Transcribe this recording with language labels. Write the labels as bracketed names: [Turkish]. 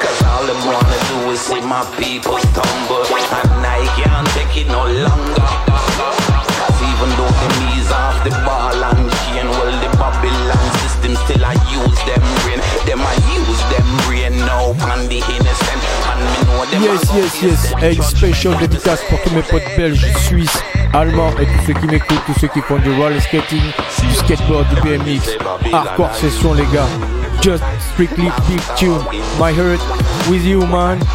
[English] All them wanna do is see my people stumble, and I can't take it no longer. Cause even though them ease off the ball and chain, well the Babylon system still I use them brain. Them I use them brain now on the innocent. And me know them. Yes, yes, yes. [French] Hey, special dedicace pour tous mes potes belges, suisses, allemands et tous ceux qui m'écoutent, tous ceux qui font du roller skating, du skateboard, du BMX, hardcore session les gars. [English] Just strictly big tune, my heart with you man.